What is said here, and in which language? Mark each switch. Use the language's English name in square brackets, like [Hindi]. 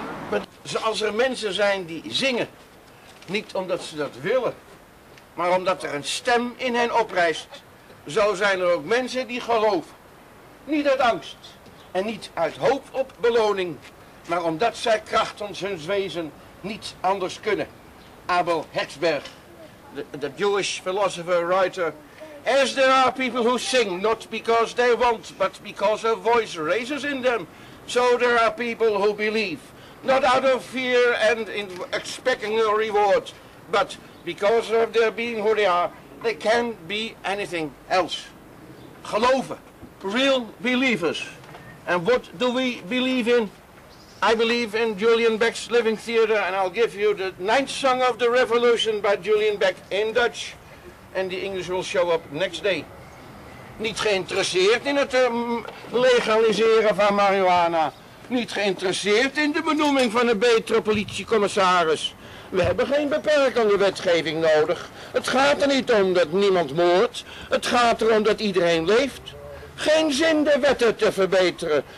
[Dutch] But als er mensen zijn die zingen, niet omdat ze dat willen, maar omdat er een stem in hen oprijst, zo zijn er ook mensen die geloven. Niet uit angst en niet uit hoop op beloning, maar omdat zij krachtens hun wezen niet anders kunnen. [English] Abel Hertzberg, the Jewish philosopher, writer. As there are people who sing, not because they want, but because a voice raises in them, so there are people who believe. Not out of fear and in expecting a reward, but because of their being who they are, they can be anything else. Geloven, real believers. And what do we believe in? I believe in Julian Beck's Living Theater, and I'll give you the ninth song of the revolution by Julian Beck in Dutch, and the English will show up next day. [Dutch] Niet geïnteresseerd in het legaliseren van marihuana. Niet geïnteresseerd in de benoeming van een betere politiecommissaris. We hebben geen beperkende wetgeving nodig. Het gaat er niet om dat niemand moordt. Het gaat erom dat iedereen leeft. Geen zin de wetten te verbeteren.